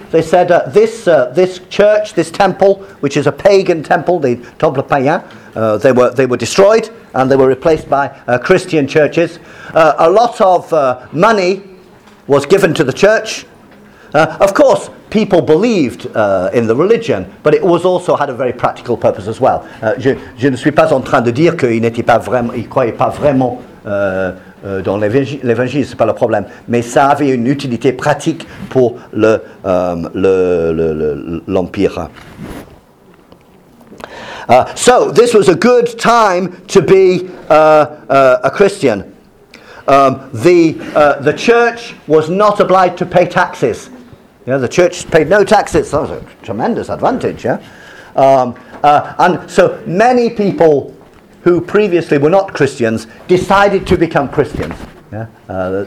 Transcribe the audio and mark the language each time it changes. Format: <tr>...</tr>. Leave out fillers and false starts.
<en>They said this church, this temple, which is a pagan temple, the Temple Païen, they were destroyed and they were replaced by Christian churches. A lot of money was given to the church. Of course, people believed in the religion, but it was also had a very practical purpose as well.</en> <fr>Je ne suis pas en train de dire qu'il n'était pas vraiment, il croyait pas vraiment dans l'évangile, c'est pas le problème. Mais ça avait une utilité pratique pour l'empire.</fr> <en>So this was a good time to be a Christian. The church was not obliged to pay taxes. You know, the church paid no taxes. That was a tremendous advantage, yeah? And so many people who previously were not Christians decided to become Christians. Yeah?</en>